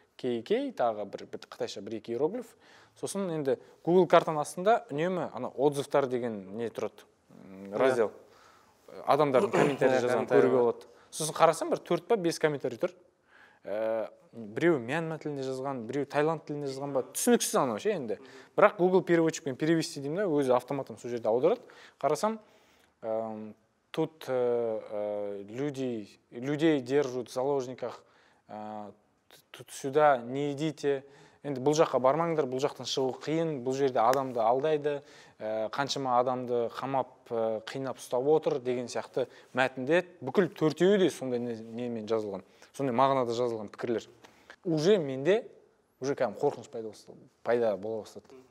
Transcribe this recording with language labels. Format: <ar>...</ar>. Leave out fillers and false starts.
<kk>KK, тағы бір қытайша бір екі иероглиф. Сосын енді Google картаның астында үнемі ана отзывтар деген не тұрады, раздел. Адамдардың комментарий жазғанын көруге болады. Сосын қарасам бір 4 па 5 комментарий тұр. Біреу Мьянма тілінде жазған, біреу Таиланд тілінде жазған ба, түсініксіз анау ше енді. Бірақ Google переводчикпен перевести деймін да, өзі автоматом сол жерде аударады. Қарасам</kk> <ru>тут людей держат в заложниках, тут сюда не идите.</ru> <kk>Енді бұл жаққа бармаңдар, бұл жақтан шығу қиын, бұл жерде адамды алдайды, қаншама адамды қамап, қинап ұстап отыр деген сияқты мәтінде бүкіл төртеуі де сондай немен жазылған, сондай мағынада жазылған пікірлер. Уже менде, уже кәдімгі қорқыныш пайда бола бастады.</kk>